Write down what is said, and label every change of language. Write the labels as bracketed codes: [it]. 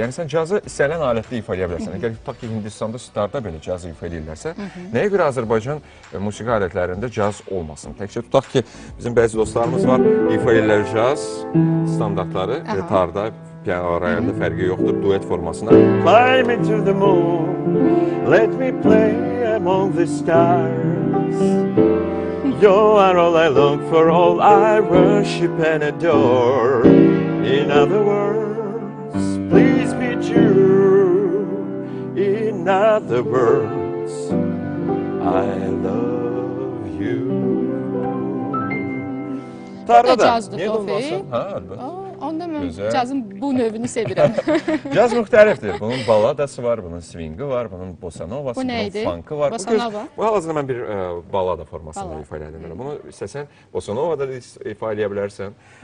[az] Yəni sən cazı istənilən alətdə ifa edə bilərsən. Əgər tutaq ki, Hindistanda sitarda belə cazı ifa edirlərsə, nəyə görə Azərbaycan musiqi alətlərində caz olmasın? Təkcə tutaq ki, bizim bəzi dostlarımız var, ifa edirlər caz standartları, tarda, piano arayanda fərqi yoxdur, duet formasına. [en] Climb into the moon, let me play among the stars. You are all I look for, all I worship and adore. In other words, please be true. In other words, I love you. [az] Tarda da cazdır, niyə olmasın? Ha, əlbəttə. Onda mən cazın bu növünü sevirəm. Caz müxtəlifdir. Bunun baladası var, bunun swingi var, bunun bosanovası, bunun funkı var. Bu neydi? Bosanova? Bu hal-hazırda mən bir balada formasında ifa edə bilərəm. Bunu istəsən, bosanovada ifa edə bilərsən.